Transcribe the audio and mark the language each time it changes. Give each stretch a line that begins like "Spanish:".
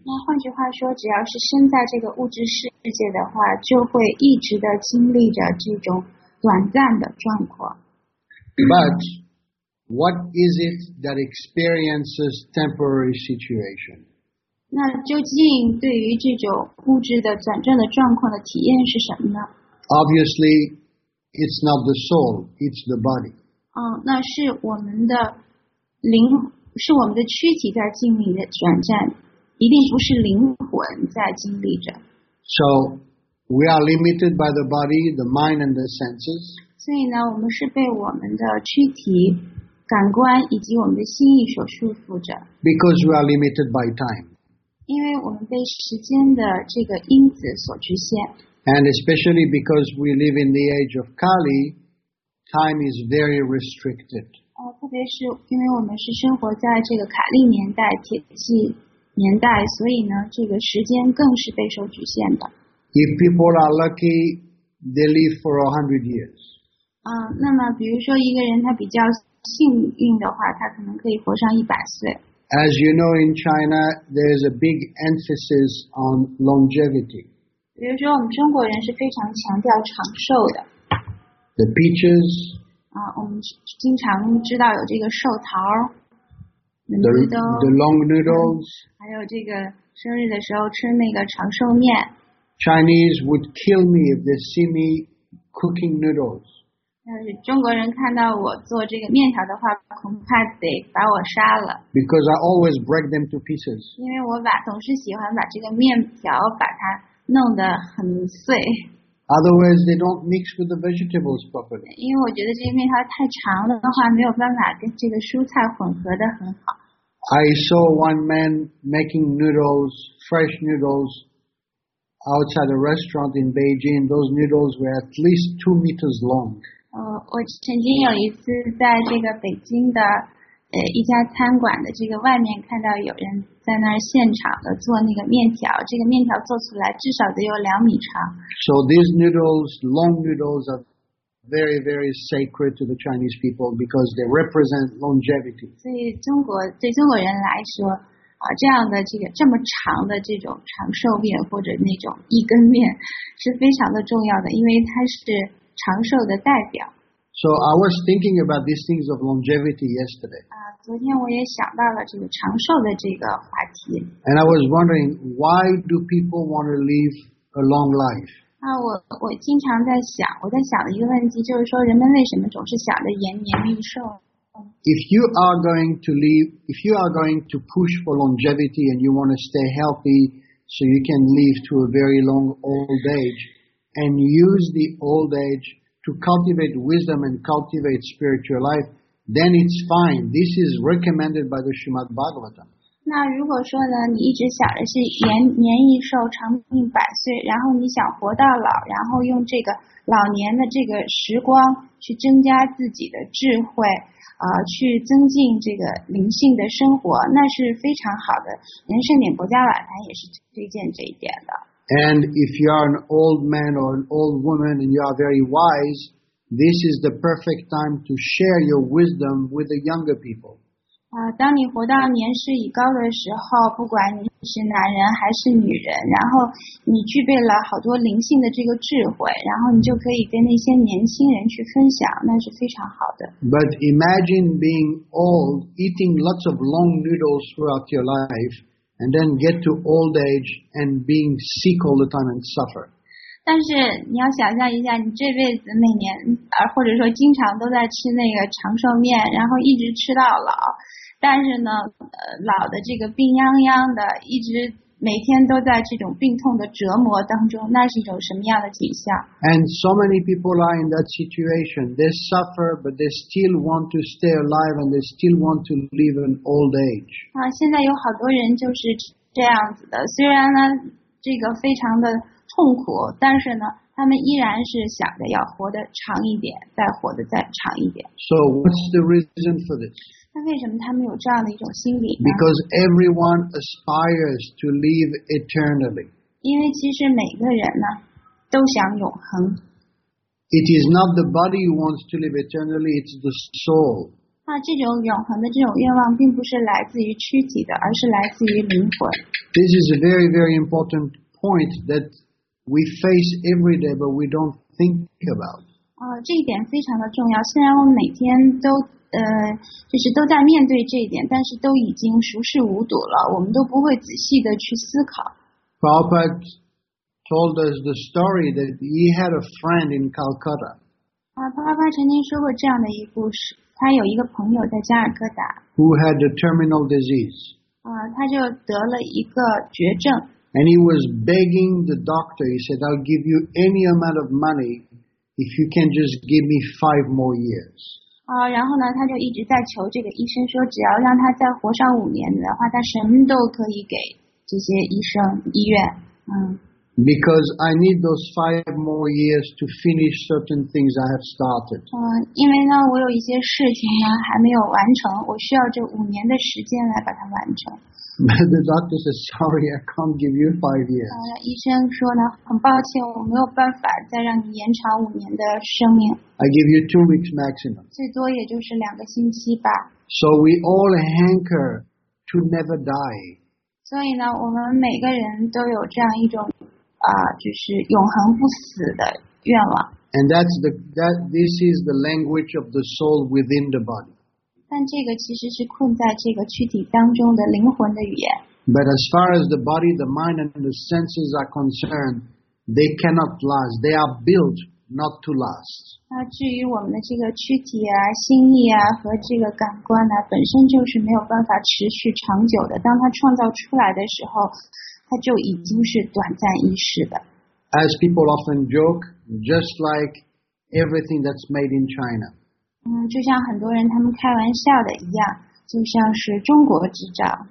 Chinese: 那换句话说，只要是身在这个物质世界的话，就会一直的经历着这种短暂的状况。
English: But what is it that experiences temporary situation?
Chinese: 那究竟对于这种物质的转转的状况的体验是什么呢？
English: Obviously, it's not the soul, it's the body.
Chinese: 那是我们的灵，是我们的躯体在经历的转战，一定不是灵魂在经历着。
English: So we are limited by the body, the mind, and the senses.
Chinese: 所以呢，我们是被我们的躯体、感官以及我们的心意所束缚着。
English: Because we are limited by time.
Chinese: 因为我们被时间的这个因子所局限。
English: And especially because we live in the age of Kali, time is very restricted.
Chinese: 特别是因为我们是生活在这个卡利年代、铁器年代，所以呢，这个时间更是备受局限的。
English: If people are lucky, they live for 100 years.
Chinese: 那么比如说一个人他比较幸运的话，他可能可以活上100岁。
English: As you know, in China, there is a big emphasis on longevity.
Chinese: 比如说我们中国人是非常强调长寿的。
English: The peaches.
Chinese: 我们经常知道有这个寿桃。
English: The long noodles.
Chinese: 还有这个生日的时候吃那个长寿面。
English: Chinese would kill me if they see me cooking noodles.
Chinese: 要是中国人看到我做这个面条的话，恐怕得把我杀了。
English: Because I always break them to pieces.
Chinese: 因为我总是喜欢把这个面条把它弄得很碎。
English: Otherwise, they don't mix with the vegetables properly.
Chinese: 因为我觉得这个面条太长了的话，没有办法跟这个蔬菜混合得很好。
English: I saw one man making noodles, fresh noodles. Outside a restaurant in Beijing, those noodles were at least 2 meters long.
Chinese: 我曾经有一次在这个北京的一家餐馆的这个外面看到有人在那儿现场的做那个面条，这个面条做出来至少得有2米长。
English: So these noodles, long noodles, are very, very sacred to the Chinese people because they represent longevity.
Chinese: 对中国人来说。这样的这个这么长的这种长寿面或者那种一根面是非常的重要的，因为它是长寿的代表。
English: So I was thinking about these things of longevity yesterday.
Chinese: 昨天我也想到了这个长寿的这个话题。
English: And I was wondering why do people want to live a long life?
Chinese: 我经常在想，我在想的一个问题就是说，人们为什么总是想着延年益寿？
English: If you are going to push for longevity and you want to stay healthy so you can live to a very long old age and use the old age to cultivate wisdom and cultivate spiritual life, then it's fine. This is recommended by the Srimad Bhagavatam.
Chinese: 那如果说呢，你一直想的是延益寿，长命百岁，然后你想活到老，然后用这个老年的这个时光去增加自己的智慧。去增进这个灵性的生活，那是非常好的。连圣典国家晚餐也是推荐这一点的。
English: And if you are an old man or an old woman and you are very wise, this is the perfect time to share your wisdom with the younger people.
Chinese: 当你活到年事已高的时候，不管你是男人还是女人，然后你具备了好多灵性的这个智慧，然后你就可以跟那些年轻人去分享，那是非常好的。
English: But imagine being old, eating lots of long noodles throughout your life, and then get to old age and being sick all the time and suffer.
Chinese: 但是你要想象一下，你这辈子每年或者说经常都在吃那个长寿面，然后一直吃到老。但是呢，老的这个病殃殃的，一直每天都在这种病痛的折磨当中，那是一种什么样的景象
English: ？And so many people are in that situation. They suffer, but they still want to stay alive, and they still want to live an old age.
Chinese: 现在有好多人就是这样子的。虽然呢，这个非常的痛苦，但是呢，他们依然是想着要活得长一点，再活得再长一点。
English: So what's the reason for this?
Chinese: 那为什么他们有这样的一种心理呢
English: ？Because everyone aspires to live eternally.
Chinese: 因为其实每个人呢，都想永恒。
English: It is not the body who wants to live eternally; it's the soul.
Chinese: 这种永恒的这种愿望，并不是来自于躯体的，而是来自于灵魂。
English: This is a very, very important point that we face every day, but we don't think about.
Chinese: 这一点非常的重要。虽然我们每天都就是都在面对这一点，但是都已经熟视无睹了，我们都不会仔细的去思考。
English: Prabhupada told us the story that he had a friend in Calcutta.
Chinese: Prabhupada 曾经说过这样的一故事，他有一个朋友在加尔各答。
English: Who had a terminal disease.
Chinese: 他就得了一个绝症。
English: And he was begging the doctor, he said, I'll give you any amount of money if you can just give me 5 more years.
Chinese: 然后呢，他就一直在求这个医生说，只要让他再活上5年的话，他什么都可以给这些医生、医院。
English: Because I need those 5 more years to finish certain things I have started.
Chinese: 因为呢，我有一些事情呢还没有完成，我需要这5年的时间来把它完成。
English: The doctor says, "Sorry, I can't give you 5 years."
Chinese: 医生说呢，很抱歉，我没有办法再让你延长5年的生命。
English: I give you 2 weeks maximum.
Chinese: 最多也就是2个星期吧。
English: So we all hanker to never die.
Chinese: 所以呢，我们每个人都有这样一种。就是永恒不死的愿望。
English: And this is the language of the soul within the body.
Chinese: 但这个其实是困在这个躯体当中的灵魂的语言。
English: But as far as the body, the mind, and the senses are concerned, they cannot last. They are built not to last.
Chinese: 至于我们的这个躯体啊、心意啊和这个感官啊，本身就是没有办法持续长久的。当它创造出来的时候。它就已经是短暂一世的。
English: As people often joke, just like everything that's made in China.
Chinese: 就像很多人他们开玩笑的一样，就像是中国制造。